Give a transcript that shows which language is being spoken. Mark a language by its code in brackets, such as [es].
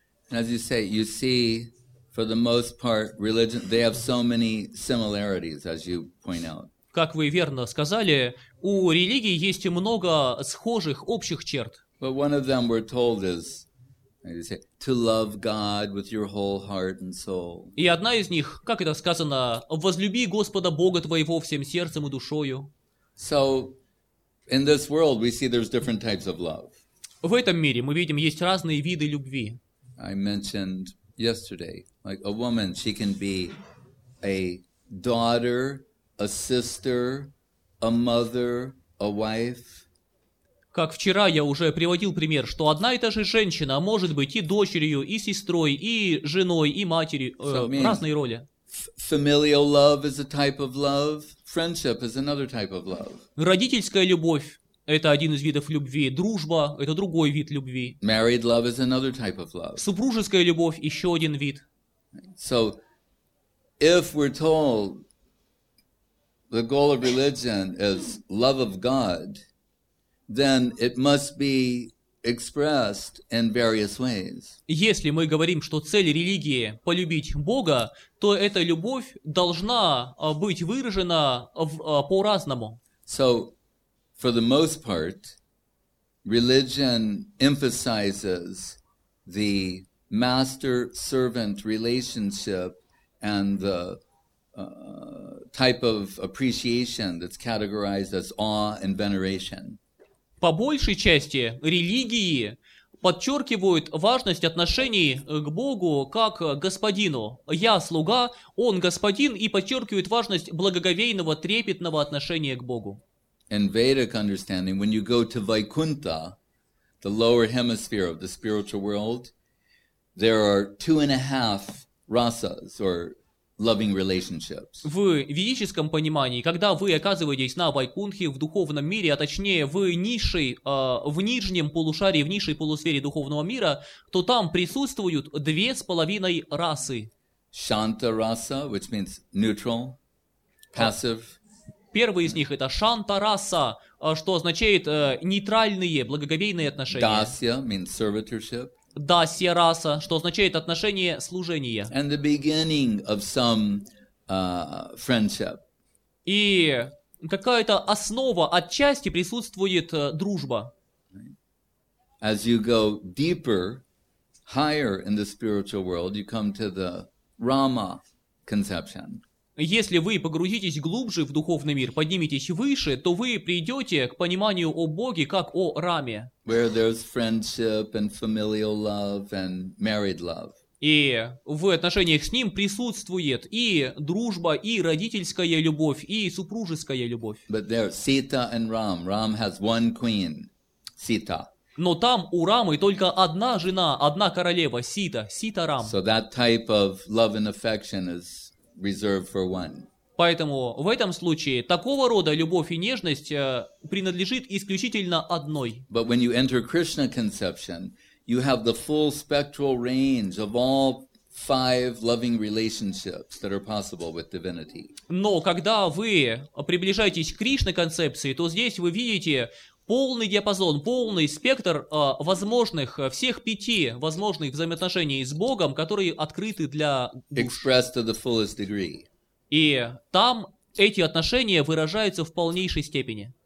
[en] As you say, you see, for the most part, religion, they have so many similarities, as you point out. [ru] Как вы верно сказали, у религии есть много схожих, общих черт. [en] But one of them we're told is, as you say, to love God with your whole heart and soul. [ru] И одна из них, как это сказано, возлюби Господа Бога твоего всем сердцем и душою. [en] So, in this world, we see there's different types of love. [ru] В этом мире, мы видим, есть разные виды любви. [en] I mentioned yesterday, like a woman, she can be a daughter, a sister, a mother, a wife. [ru] Как вчера я уже приводил пример, что одна и та же женщина может быть и дочерью, и сестрой, и женой, и матерью, разные роли. [en] Familial love is a type of love, friendship is another type of love. [ru] Родительская любовь. Это один из видов любви. Дружба – это другой вид любви. [en] Married love is another type of love. [ru] Супружеская любовь – еще один вид. [en] So, if we're told the goal of religion is love of God, then it must be expressed in various ways. [ru] Если мы говорим, что цель религии – полюбить Бога, то эта любовь должна быть выражена по-разному. [en] So, for the most part, religion emphasizes the master-servant relationship and the type of appreciation that's categorized as awe and veneration. [ru] По большей части религии подчеркивают важность отношений к Богу как господину. Я слуга, он господин, и подчеркивают важность благоговейного, трепетного отношения к Богу. [en] In Vedic understanding, when you go to Vaikuntha, the lower hemisphere of the spiritual world, there are 2.5 rasas, or loving relationships. [ru] В ведическом понимании, когда вы оказываетесь на Вайкунхе в духовном мире, а точнее в низшей, в нижнем полушарии, в низшей полусфере духовного мира, то там присутствуют две с половиной расы. [en] Shanta rasa, which means neutral, passive. [ru] Первый из них это Shanta rasa, что означает нейтральные, благоговейные отношения. [en] Dasya means servitorship. [ru] Дасья раса, что означает отношение служения. [en] And the beginning of some, friendship. [ru] И какая-то основа отчасти присутствует дружба. [en] As you go deeper, higher in the spiritual world, you come to the Rama conception. [ru] Если вы погрузитесь глубже в духовный мир, подниметесь выше, то вы придете к пониманию о Боге как о Раме. [en] Where there's friendship and familial love and married love. [ru] И в отношениях с ним присутствует и дружба, и родительская любовь, и супружеская любовь. [en] But there Sita and Ram. Ram has one queen, Sita. [ru] Но там у Рамы только одна жена, одна королева, Сита, Сита Рам. [en] So that type of love and affection is reserved for one. [ru] Поэтому в этом случае такого рода любовь и нежность принадлежит исключительно одной. [en] But when you enter Krishna conception, you have the full spectral range of all five loving relationships that are possible with divinity. [ru] Но когда вы приближаетесь к Кришна концепции, то здесь вы видите полный диапазон, полный спектр возможных, всех пяти возможных взаимоотношений с Богом, которые открыты для душ. [en] Expressed to the fullest degree. [ru] И там эти отношения выражаются в полнейшей степени.